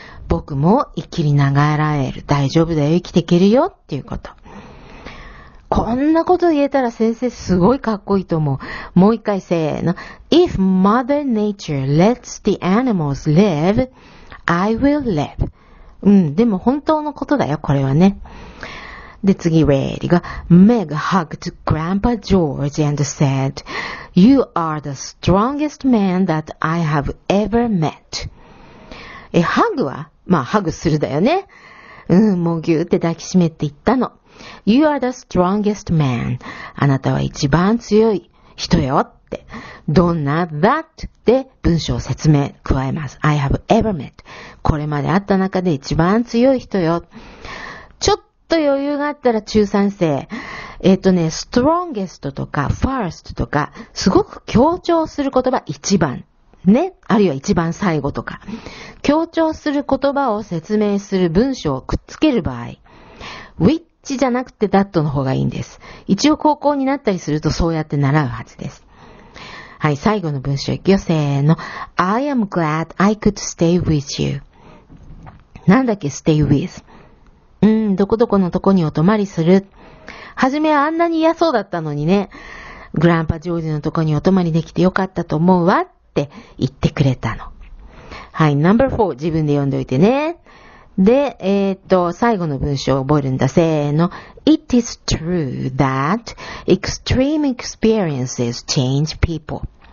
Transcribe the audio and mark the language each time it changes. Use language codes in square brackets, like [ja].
[ja] 僕も生きりながらえる。大丈夫だよ、生きていけるよっていうこと。こんなこと言えたら先生すごいかっこいいと思う。もう一回せーの。 [en] If Mother Nature lets the animals live, I will live. [ja] うん、でも本当のことだよ、これはね。で、次、ready go。 [en] Meg hugged Grandpa George and said, You are the strongest man that I have ever met. [ja] え、ハグは？まあ、ハグするだよね。うん、もうぎゅーって抱きしめって言ったの。 [en] You are the strongest man. [ja] あなたは一番強い人よって。どんな that で文章を説明加えます。 [en] I have ever met. [ja] これまで会った中で一番強い人よ。ちょっと余裕があったら中3生。strongest とか first とか、すごく強調する言葉一番。ね。あるいは一番最後とか。強調する言葉を説明する文章をくっつける場合。じゃなくてダットの方がいいんです。一応高校になったりするとそうやって習うはずです。はい、最後の文章いくよ。せーの。 [en] I am glad I could stay with you. [ja] なんだっけ、stay with? どこどこのとこにお泊まりする。はじめはあんなに嫌そうだったのにね。グランパジョージのとこにお泊まりできてよかったと思うわって言ってくれたの。はい、ナンバー4、自分で読んでおいてね。で、最後の文章を覚えるんだ。せーの。 [en] It is true that extreme experiences change people.